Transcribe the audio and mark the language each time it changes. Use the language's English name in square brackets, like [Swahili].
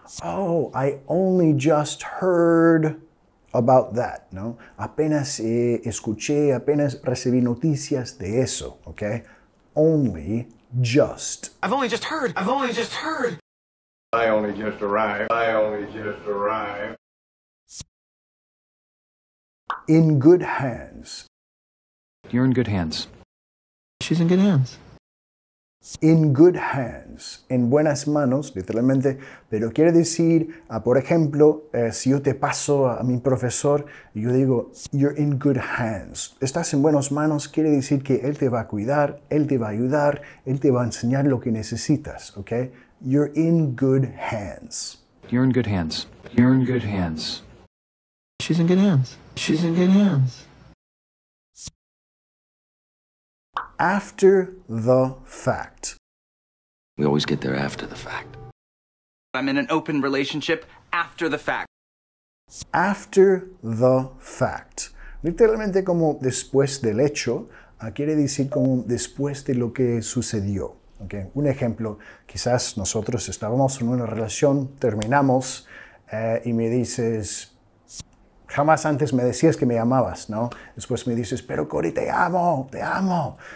[English] Oh, I only just heard about that, ¿no? [Spanish] Apenas escuché, apenas recibí noticias de eso, ¿okay? [English] Only just. I've only just heard. I've only just heard. I only just arrived. I only just arrived. In good hands. You're in good hands. She's in good hands. In good hands. [Spanish] En buenas manos, literalmente. Pero quiere decir, por ejemplo, si yo te paso a mi profesor, yo digo, [English] you're in good hands. [Spanish] Estás en buenas manos, quiere decir que él te va a cuidar, él te va a ayudar, él te va a enseñar lo que necesitas, ¿ok? [English] You're in good hands. You're in good hands. You're in good hands. She's in good hands. She's in good hands. After the fact. We always get there after the fact. I'm in an open relationship after the fact. After the fact. [Spanish] Literalmente como después del hecho, quiere decir como después de lo que sucedió. Okay. Un ejemplo, quizás nosotros estábamos en una relación, terminamos, y me dices, jamás antes me decías que me llamabas, ¿no? Después me dices, pero Cory, te amo, te amo.